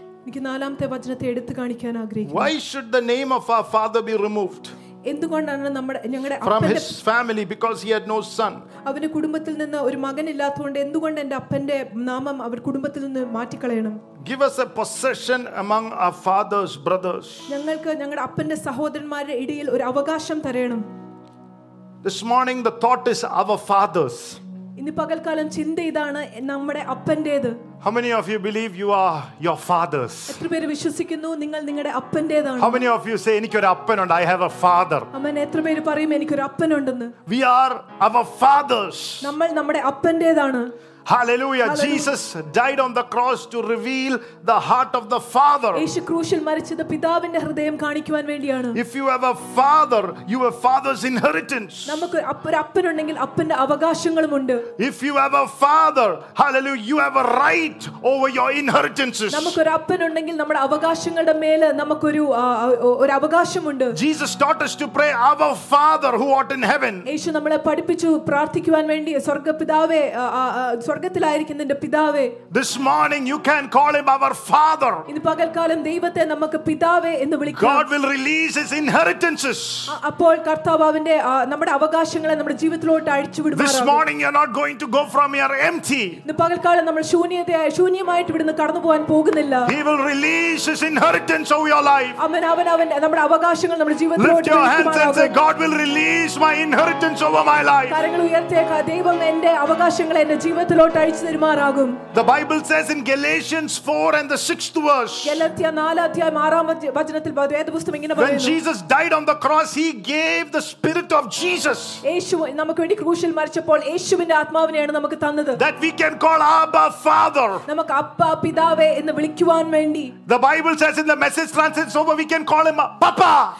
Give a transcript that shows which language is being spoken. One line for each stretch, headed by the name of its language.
Malayalam: എനിക്ക് നാലാമത്തെ വചനത്തെ എടുത്തു കാണിക്കാൻ ആഗ്രഹിക്കുന്നു.
English: Why should the name of our father be removed?
Malayalam: എന്തുകൊണ്ടാണ് നമ്മുടെ ഞങ്ങളുടെ അപ്പൻ
English: from his family, because he had no son.
Malayalam: അവന്റെ കുടുംബത്തിൽ നിന്ന് ഒരു മകൻ ഇല്ലാത്തതുകൊണ്ട് എന്തുകൊണ്ട് എൻ്റെ അപ്പന്റെ നാമം അവർ കുടുംബത്തിൽ നിന്ന് മാറ്റി കളയണം?
English: Give us a possession among our father's brothers.
Malayalam: ഞങ്ങൾക്ക് ഞങ്ങളുടെ അപ്പന്റെ സഹോദരന്മാരുടെ ഇടയിൽ ഒരു അവകാശം തരണം.
English: This morning the thought is our fathers.
Malayalam: ഇന്ന് പകൽക്കാലം ചിന്ത ഇതാണ് നമ്മുടെ അപ്പന്റേത്.
English: How many of you believe you are your father's?
Malayalam: എത്ര പേര് വിശ്വസിക്കുന്നു നിങ്ങൾ നിങ്ങളുടെ അപ്പന്റേതാണ്?
English: How many of you say
Malayalam: എനിക്ക് ഒരു അപ്പനുണ്ട്,
English: I have a father?
Malayalam: അമ്മേ എത്ര പേര് പറയും എനിക്ക് ഒരു അപ്പനുണ്ടെന്ന്?
English: We are our fathers.
Malayalam: നമ്മൾ നമ്മുടെ അപ്പന്റേതാണ്.
English: Hallelujah. Jesus died on the cross to reveal the heart of the father.
Malayalam: യേശു ക്രൂശിൽ മരിച്ചതു പിതാവിന്റെ ഹൃദയം കാണിക്കാൻ വേണ്ടിയാണ്.
English: If you have a father, you have father's inheritance.
Malayalam: നമുക്ക് ഒരു അപ്പനുണ്ടെങ്കിൽ അപ്പന്റെ അവകാശങ്ങളും ഉണ്ട്.
English: If you have a father, hallelujah, you have a right over your inheritances.
Malayalam: നമുക്ക് ഒരു അപ്പനുണ്ടെങ്കിൽ നമ്മുടെ അവകാശങ്ങളുടെ മേൽ നമുക്ക് ഒരു അവകാശമുണ്ട്.
English: Jesus taught us to pray our father who art in heaven.
Malayalam: യേശു നമ്മളെ പഠിപ്പിച്ചു പ്രാർത്ഥിക്കാൻ വേണ്ടി സ്വർഗ്ഗപിതാവേ സ്വർഗത്തിലായിരിക്കുന്നതിന്റെ പിതാവേ.
English: This morning you can call him our father.
Malayalam: ഇന്ന് പകൽക്കാലം ദൈവത്തെ നമുക്ക് പിതാവേ എന്ന് വിളിക്കാം.
English: God will release his inheritances.
Malayalam: അപ്പോൾ കർത്താവ് അവന്റെ നമ്മുടെ അവകാശങ്ങളെ നമ്മുടെ ജീവിതത്തിലോട്ട് അഴിച്ചു വിടും.
English: This morning you are not going to go from here empty.
Malayalam: ഇന്ന് പകൽക്കാലം നമ്മൾ ശൂന്യമായിട്ട് ഇവിടുന്ന് കടന്നു പോകാൻ പോകുന്നില്ല.
English: He will release his inheritance over your life.
Malayalam: അവൻ നമ്മുടെ അവകാശങ്ങൾ നമ്മുടെ ജീവിതത്തിലോട്ട് അഴിച്ചുവിടും.
English: God will release my inheritance over my life.
Malayalam: കരങ്ങൾ ഉയർത്തേക്കുക. ദൈവം എന്റെ അവകാശങ്ങളെ എന്റെ ജീവിതത്തിൽ.
English: The Bible says in Galatians 4 and the 6th verse, when Jesus died on the cross, he gave the spirit of Jesus,
Malayalam: യേശു നമുക്ക് വേണ്ടി ക്രൂശിൽ മരിച്ചപ്പോൾ യേശുവിന്റെ ആത്മാവിനെയാണ് നമുക്ക് തന്നത്.
English: That we can call Abba Father,
Malayalam: നമുക്ക് അപ്പാ പിതാവേ എന്ന് വിളിക്കുവാൻ വേണ്ടി.
English: The Bible says in the Message translation, so we can call him Papa.